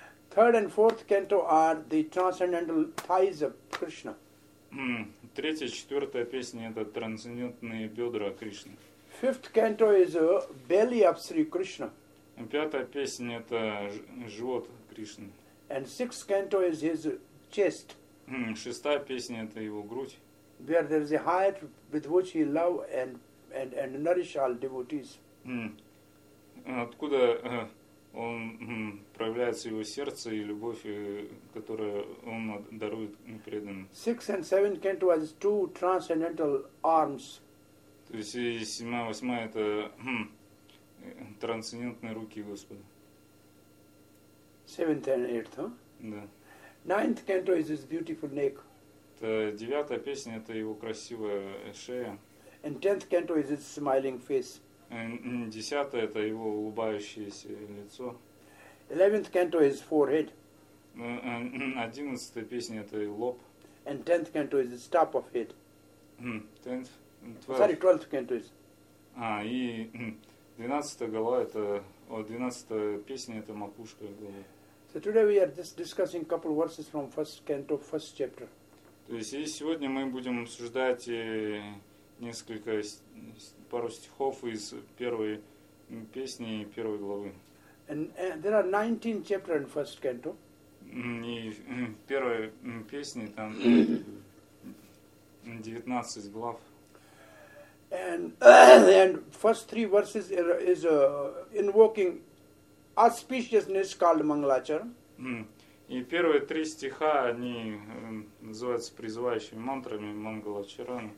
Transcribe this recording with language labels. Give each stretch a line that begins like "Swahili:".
English: Third and fourth canto are the transcendental thighs of Krishna.
Russian: Третья, четвертая песня это трансцендентные бедра Кришны.
English: Fifth canto is a belly of Sri Krishna.
Russian: Пятая песня это живот Кришны.
English: And sixth canto is his chest.
Russian: Шестая песня это его грудь.
English: Where there is a heart with which he love and nourish all devotees.
Russian: Откуда он проявляется его сердце и любовь, которую он дарует преданным.
English: Six and seven canto as two transcendental arms.
Russian: То есть седьмая, восьмая это трансцендентные руки Господа.
English: Seventh and eighth, huh?
Russian: Да.
English: Ninth canto is his beautiful neck.
Russian: Это девятая песня это его красивая шея.
English: And tenth canto is his smiling face.
Russian: Десятое это его улыбающееся лицо.
English: Eleventh canto is forehead.
Russian: Одиннадцатая песня это лоб.
English: And tenth canto is the top of head. Tenth. Sorry, twelfth canto is.
Russian: И двенадцатая голова это, двенадцатая песня это макушка головы.
English: So today we are just discussing a couple verses from first canto, first chapter.
Russian: То есть и сегодня мы будем обсуждать несколько пару стихов из первой песни и первой главы.
English: And there are 19 chapters in first canto.
Russian: И в первой песне там 19 глав.
English: And first three verses is invoking auspiciousness called Mangalachar.
Russian: И первые три стиха, они называются призывающими мантрами Мангалачарана.